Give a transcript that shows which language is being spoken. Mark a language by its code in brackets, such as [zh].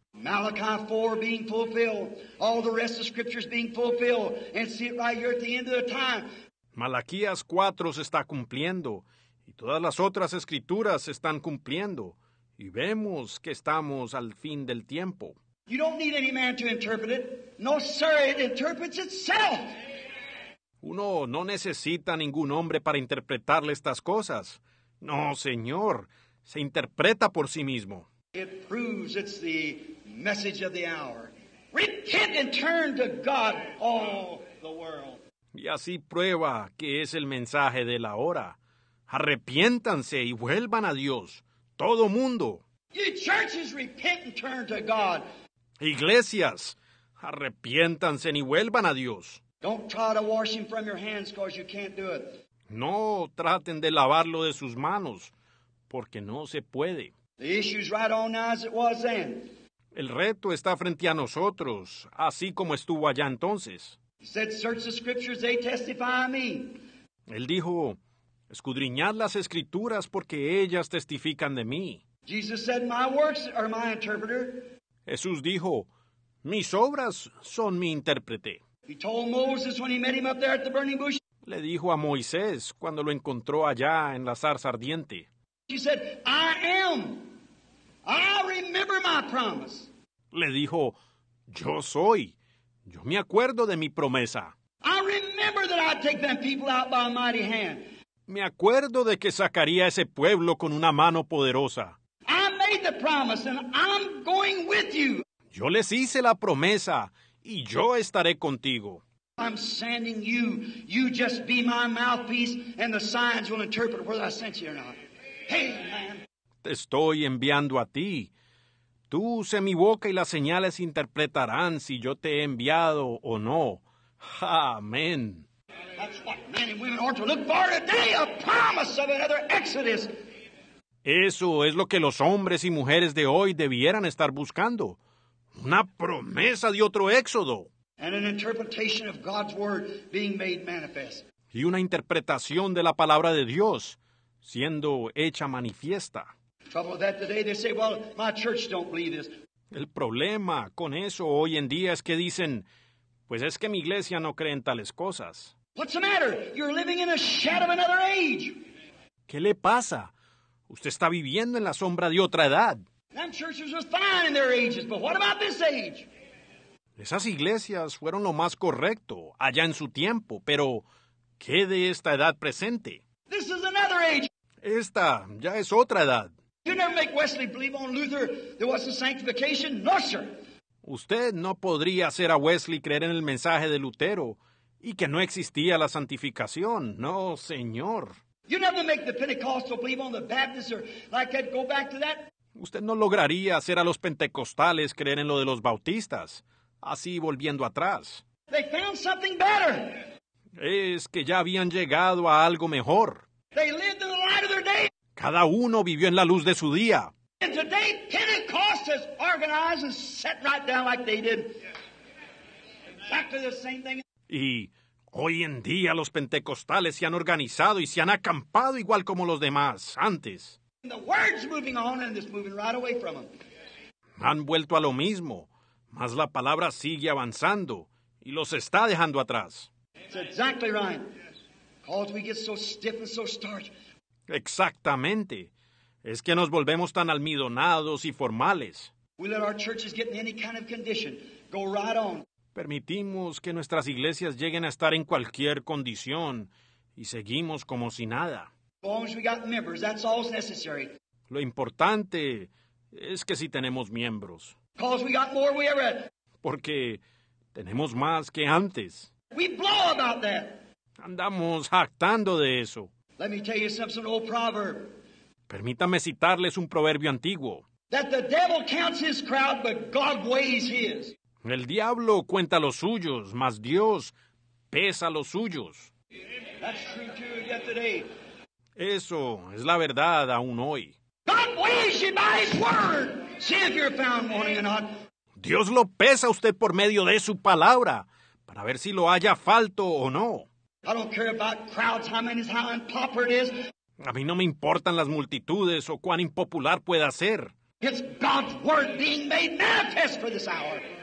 [en] Malachi 4 being fulfilled, all the rest of scriptures being fulfilled, and see it right here at the end of the time. [es] Malaquías 4 se está cumpliendo, y todas las otras escrituras se están cumpliendo, y vemos que estamos al fin del tiempo. [en] You don't need any man to interpret it. No, sir, it interprets itself. [es] Uno no necesita ningún hombre para interpretarle estas cosas. No, señor, se interpreta por sí mismo. [en] It proves it's the message of the hour. Repent and turn to God, all the world. [es] Y así prueba que es el mensaje de la hora. Arrepiéntanse y vuelvan a Dios, todo mundo. [en] You churches, repent and turn to God. [es] Iglesias, arrepiéntanse y vuelvan a Dios. [en] Don't try to wash him from your hands because you can't do it. [es] No traten de lavarlo de sus manos, porque no se puede. [en] The issue's right on now as it was then. [es] El reto está frente a nosotros, así como estuvo allá entonces. [en] He said, search the scriptures, they testify me. [es] Él dijo, escudriñad las escrituras porque ellas testifican de mí. [en] Jesus said, my works are my interpreter. [es] Jesús dijo, mis obras son mi intérprete. [en] He told Moses when he met him up there at the burning bush. [es] Le dijo a Moisés cuando lo encontró allá en la zarza ardiente. [en] He said, I am. I remember my promise. [es] Le dijo, yo soy. Yo me acuerdo de mi promesa. [en] I remember that I'd take them people out by a mighty hand. [es] Me acuerdo de que sacaría ese pueblo con una mano poderosa. [en] I made made the promise, and I'm going with you. [es] Yo les hice la promesa, y yo estaré contigo. [en] I'm sending you. You just be my mouthpiece, and the signs will interpret whether I sent you or not. Hey, man. [es] Te estoy enviando a ti. Tú usa mi boca y las señales interpretarán si yo te he enviado o no. Amén. [en] That's what men and women ought to look for today, a promise of another exodus. [es] Eso es lo que los hombres y mujeres de hoy debieran estar buscando. Una promesa de otro éxodo. [en] And an interpretation of God's word being made manifest. [es] Y una interpretación de la palabra de Dios siendo hecha manifiesta. [en] Trouble with that today, they say, well, my church don't believe this. [es] El problema con eso hoy en día es que dicen, pues es que mi iglesia no cree en tales cosas. [en] What's the matter? You're living in a shadow of another age. [es] ¿Qué le pasa? Usted está viviendo en la sombra de otra edad. [en] Them churches were fine in their ages, but what about this age? [es] Esas iglesias fueron lo más correcto allá en su tiempo, pero ¿qué de esta edad presente? [en] This is another age. [es] Esta ya es otra edad. [en] You never make Wesley believe on Luther there was a sanctification. No, sir. [es] Usted no podría hacer a Wesley creer en el mensaje de Lutero y que no existía la santificación. No, señor. [en] You never make the Pentecostal believe on the Baptist or like that, go back to that. [es] Usted no lograría hacer a los pentecostales creer en lo de los bautistas, así volviendo atrás. [en] They found something better. [es] Es que ya habían llegado a algo mejor. [en] They lived in the light of their day. [es] Cada uno vivió en la luz de su día. [en] And today, Pentecost has organized and set right down like they did. Back to the same thing. [es] Y hoy en día los pentecostales se han organizado y se han acampado igual como los demás antes. [en] And the word's moving on and it's moving right away from them. [es] Han vuelto a lo mismo, mas la palabra sigue avanzando y los está dejando atrás. [en] It's exactly right. Because we get so stiff and so starched. [es] Exactamente. Es que nos volvemos tan almidonados y formales. [en] We let our churches get in any kind of condition. Go right on. [es] Permitimos que nuestras iglesias lleguen a estar en cualquier condición y seguimos como si nada. [en] As long as we got members, that's all that's necessary. [es] Lo importante es que si tenemos miembros. [en] Because we got more than we ever had. [es] Porque tenemos más que antes. [en] We blow about that. [es] Andamos jactando de eso. [en] Let me tell you something, old proverb. [es] Permítame citarles un proverbio antiguo. [en] That the devil counts his crowd, but God weighs his. [es] El diablo cuenta los suyos, mas Dios pesa los suyos. [en] That's true too, yet today. [es] Eso es la verdad aún hoy. [en] God weighs you by his word. See if you're found wanting or not. [es] Dios lo pesa a usted por medio de su palabra, para ver si lo haya falto o no. [en] I don't care about crowds, how many, how unpopular it is. [es] A mí no me importan las multitudes o cuán impopular pueda ser. [en] It's God's word being made manifest for this hour.